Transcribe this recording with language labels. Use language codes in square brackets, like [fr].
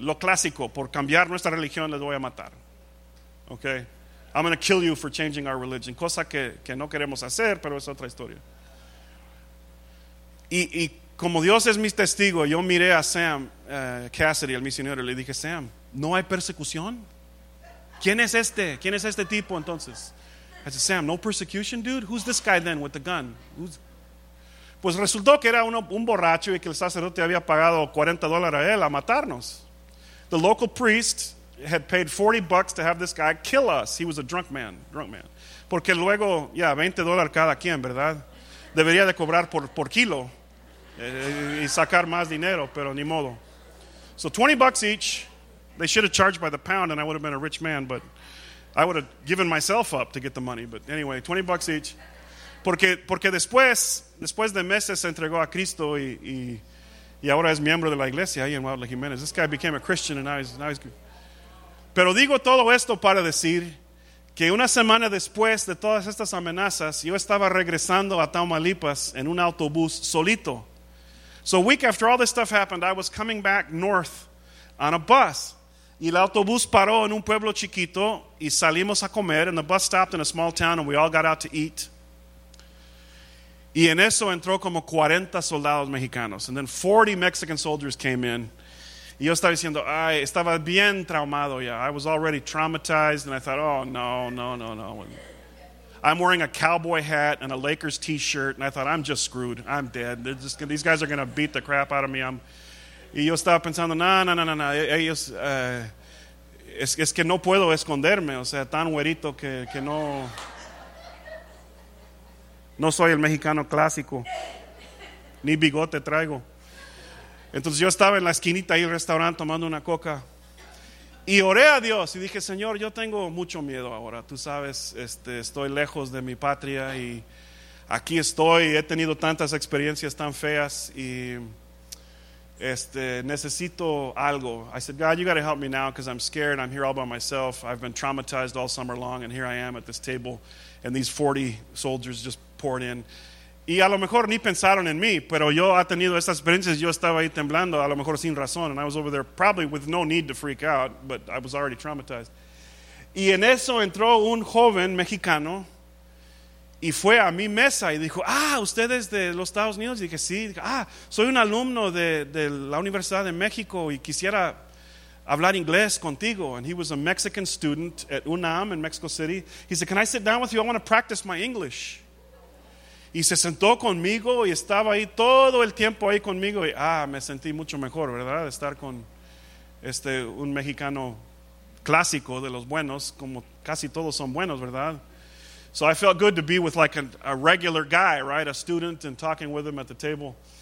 [es] Lo clásico, por cambiar nuestra religión, les voy a matar. [en] Okay? I'm going to kill you for changing our religion. [es] Cosa que no queremos hacer, pero es otra historia. Y como Dios es mi testigo, yo miré a Sam Cassidy, el misionero, y le dije, Sam, ¿no hay persecución? ¿Quién es este? ¿Quién es este tipo entonces? [en] I said, [es] Sam, ¿no [en] persecution, dude? Who's this guy then with the gun? Who's... [es] Pues resultó que era un borracho y que el sacerdote había pagado $40 a él a matarnos. [en] The local priest had paid $40 to have this guy kill us. He was a drunk man. [es] Porque luego, ya, $20 cada quien, ¿verdad? Debería de cobrar por kilo y sacar más dinero, pero ni modo. [en] So $20 each. They should have charged by the pound and I would have been a rich man, but I would have given myself up to get the money. But anyway, $20 each. [es] Porque después de meses se entregó a Cristo y ahora es miembro de la iglesia ahí en Huautla Jiménez. [en] This guy became a Christian and now he's good. [es] Pero digo todo esto para decir que una semana después de todas estas amenazas, yo estaba regresando a Tamaulipas en un autobús solito. [en] So a week after all this stuff happened, I was coming back north on a bus. [es] Y el autobús paró en un pueblo chiquito y salimos a comer. [en] And the bus stopped in a small town and we all got out to eat. [es] Y en eso entró como 40 soldados mexicanos. [en] And then 40 Mexican soldiers came in. [es] Y yo estaba diciendo, ay, estaba bien traumado ya. [en] I was already traumatized, and I thought, oh, no, no, no, no. I'm wearing a cowboy hat and a Lakers t-shirt, and I thought, I'm just screwed. I'm dead. These guys are going to beat the crap out of me. [es] Y yo estaba pensando, no. Ellos, es que no puedo esconderme. O sea, tan güerito que no... No soy el mexicano clásico. Ni bigote traigo. Entonces yo estaba en la esquinita ahí el restaurante tomando una coca y oré a Dios y dije, Señor, yo tengo mucho miedo ahora, tú sabes, estoy lejos de mi patria y aquí estoy, he tenido tantas experiencias tan feas y necesito algo. [en] I said, God, you got to help me now because I'm scared, I'm here all by myself, I've been traumatized all summer long and here I am at this table and these 40 soldiers just poured in. [es] Y a lo mejor ni pensaron en mí, pero yo he tenido estas experiencias, yo estaba ahí temblando, a lo mejor sin razón. [en] And I was over there probably with no need to freak out, but I was already traumatized. [es] Y en eso entró un joven mexicano y fue a mi mesa y dijo, ah, ¿usted es de los Estados Unidos? Y dije, sí. Ah, soy un alumno de la Universidad de México y quisiera hablar inglés contigo. [en] And he was a Mexican student at UNAM in Mexico City. He said, can I sit down with you? I want to practice my English. [es] Y se sentó conmigo y estaba ahí todo el tiempo ahí conmigo. Y me sentí mucho mejor, ¿verdad? Estar con un mexicano clásico de los buenos, como casi todos son buenos, ¿verdad? [en] So I felt good to be with like a regular guy, right? A student and talking with him at the table.